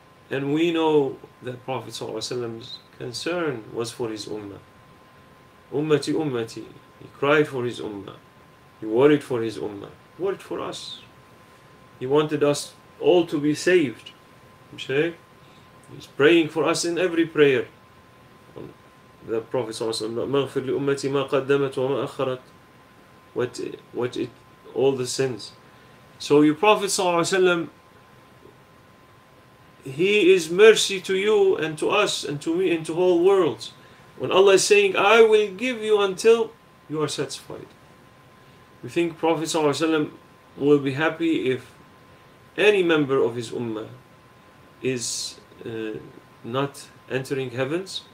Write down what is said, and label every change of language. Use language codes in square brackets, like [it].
[en] And we know that Prophet ﷺ's concern was for his ummah. Ummati, ummati. He cried for his ummah. He worried for his ummah. He worried for us. He wanted us all to be saved. He's praying for us in every prayer. The Prophet [ar] مَغْفِرْ لِأُمَّتِي مَا قَدَّمَتْ وَمَا أَخَّرَتْ. [en] What it, all the sins. So your Prophet ﷺ, he is mercy to you and to us and to me and to all worlds. When Allah is saying, I will give you until you are satisfied. You think Prophet ﷺ will be happy if any member of his ummah is not entering heavens?